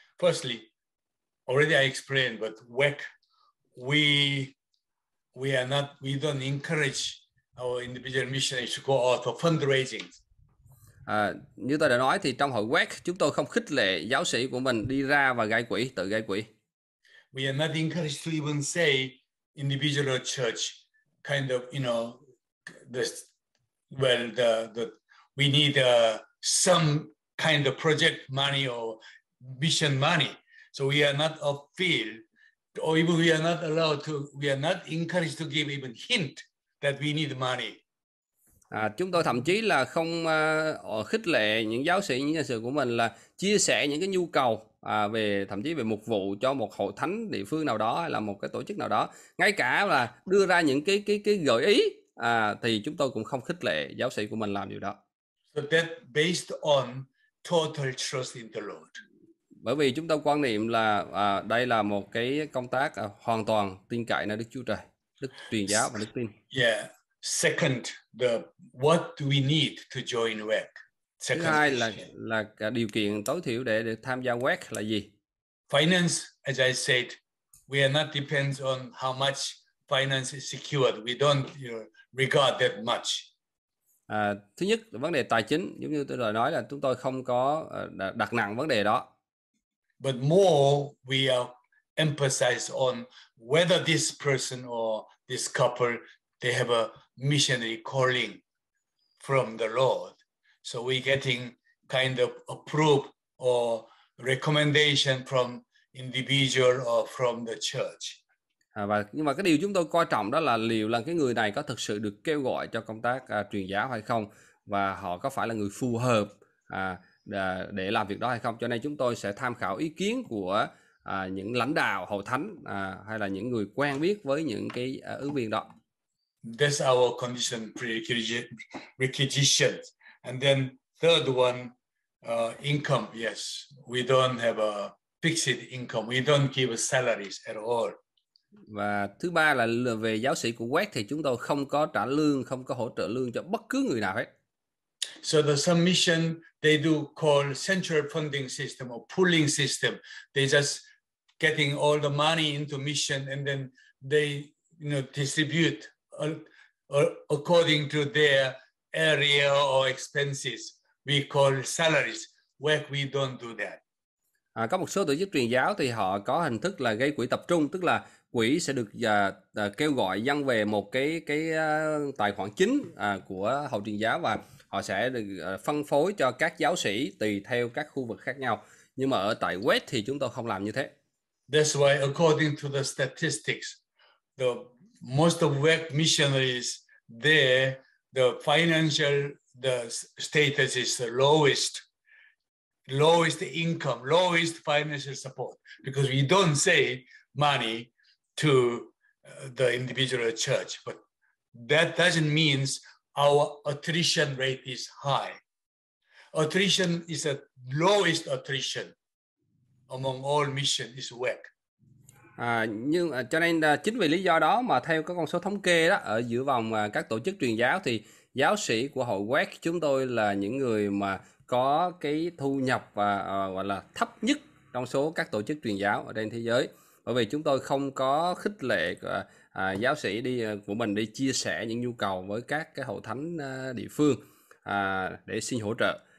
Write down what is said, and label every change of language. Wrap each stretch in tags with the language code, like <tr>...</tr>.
<en>Firstly, already I explained, but WEC, we don't encourage our individual missionaries to go out for fundraising.</en> <vi>Như tôi đã nói thì trong hội WEC chúng tôi không khích lệ giáo sĩ của mình đi ra và gây quỹ, tự gây quỹ.</vi> <en>We are not encouraged to even say individual or church kind of, you know, this, well, the we need some kind of project money or mission money. So we are not upfield, or even we are not allowed to, we are not encouraged to give even hint that we need money.</en> <vi>Chúng tôi thậm chí là không khích lệ những giáo sĩ, những nhân sự của mình là chia sẻ những cái nhu cầu về thậm chí về mục vụ cho một hội thánh địa phương nào đó hay là một cái tổ chức nào đó. Ngay cả là đưa ra những cái gợi ý thì chúng tôi cũng không khích lệ giáo sĩ của mình làm điều đó.</vi> <en>So that based on total trust in the Lord.</en> <vi>Bởi vì chúng tôi quan niệm là đây là một cái công tác hoàn toàn tin cậy nơi Đức Chúa Trời, Đức truyền giáo và Đức tin. Yeah.</vi> <en>Second, the what do we need to join WEC?</en> <vi>Second, thứ hai là điều kiện tối thiểu để được tham gia WEC là gì?</vi> <en>Finance, as I said, we are not depends on how much finance is secured. We don't, you know, regard that much.</en> <vi>Thứ nhất, vấn đề tài chính, giống như tôi đã nói là chúng tôi không có đặt nặng vấn đề đó.</vi> <en>But more, we are emphasize on whether this person or this couple, they have a missionary calling from the Lord. So we getting kind of approved or recommendation from individual or from the church.</en> <vi>Nhưng mà cái điều chúng tôi coi trọng đó là liệu là cái người này có thực sự được kêu gọi cho công tác truyền giáo hay không, và họ có phải là người phù hợp để làm việc đó hay không. Cho nên chúng tôi sẽ tham khảo ý kiến của những lãnh đạo hội thánh hay là những người quen biết với những cái ứng viên đó.</vi> <en>That's our condition, prerequisite. And then third one, income, yes. We don't have a fixed income. We don't give salaries at all.</en> <vi>Và thứ ba là về giáo sĩ của Quét thì chúng tôi không có trả lương, không có hỗ trợ lương cho bất cứ người nào hết.</vi> <en>So the submission they do call central funding system or pooling system. They just getting all the money into mission and then they, you know, distribute according to their area or expenses. We call salaries. Where we don't do that.</en> <vi>À, có một số tổ chức truyền giáo thì họ có hình thức là gây quỹ tập trung, tức là quỹ sẽ được kêu gọi dâng về một cái tài khoản chính của hội truyền giáo và họ sẽ được phân phối cho các giáo sĩ tùy theo các khu vực khác nhau. Nhưng mà ở tại West thì chúng tôi không làm như thế.</vi> <en>That's why according to the statistics, the most of West missionaries there, the financial the status is the lowest. Lowest income, lowest financial support. Because we don't say money to the individual church, but that doesn't mean our attrition rate is high. Attrition is the lowest attrition among all mission is WEC.</en> <vi>Nhưng cho nên chính vì lý do đó mà theo các con số thống kê đó ở giữa vòng các tổ chức truyền giáo thì giáo sĩ của hội WEC chúng tôi là những người mà có cái thu nhập và gọi là thấp nhất trong số các tổ chức truyền giáo ở trên thế giới. Bởi vì chúng tôi không có khích lệ giáo sĩ đi của mình đi chia sẻ những nhu cầu với các cái hội thánh địa phương để xin hỗ trợ.</vi>